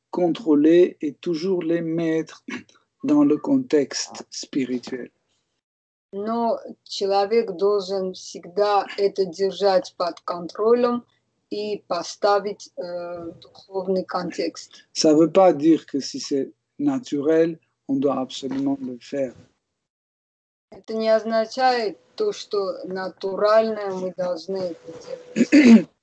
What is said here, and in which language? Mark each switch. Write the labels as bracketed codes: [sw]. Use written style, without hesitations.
[fr] contrôler et toujours les mettre dans le contexte spirituel. [ru] Но человек должен всегда это держать под контролем и поставить духовный контекст. [fr] Ça veut pas dire que si c'est naturel, on doit absolument le faire. [ru] Это не означает то, что натуральное мы должны это делать.